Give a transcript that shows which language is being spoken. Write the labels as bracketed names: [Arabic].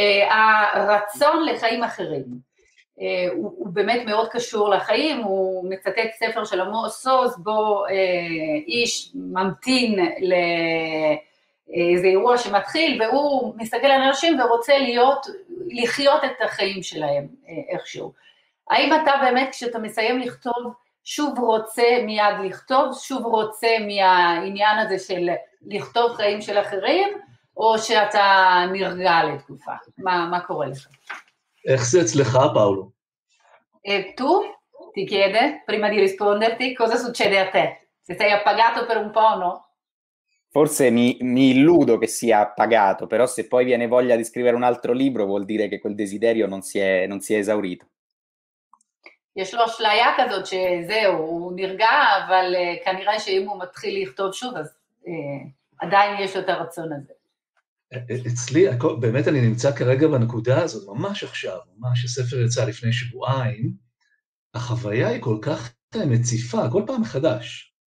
[Hebrew] הרצון לחיים אחרים הוא באמת מאוד קשור לחיים, הוא מצטט ספר של עמוס עוז בו איש ממתין לאיזה אירוע שמתחיל והוא מסתכל על אנשים ורוצה לחיות את החיים שלהם איכשהו. האם אתה באמת, כשאתה מסיים לכתוב, שוב רוצה מיד לכתוב, שוב רוצה מהעניין הזה של לכתוב חיים של אחרים, או שאתה נרגע לתקופה? מה קורה לך? איך זה אצלך, פאולו? [Italian] Tu ti chiede, prima di risponderti, cosa succede a te? Se sei appagato per un po', no? Forse mi illudo che sia appagato, però se poi viene voglia di scrivere un altro libro, vuol dire che quel desiderio non si è esaurito. [Hebrew] יש לו אשליה כזאת שזהו, הוא נרגע, אבל כנראה שאם הוא מתחיל לכתוב שוב, אז עדיין יש לו את הרצון הזה. אצלי, באמת אני נמצא כרגע בנקודה הזאת, ממש עכשיו, ממש, הספר יצא לפני שבועיים, החוויה היא כל כך מציפה, כל פעם מחדש.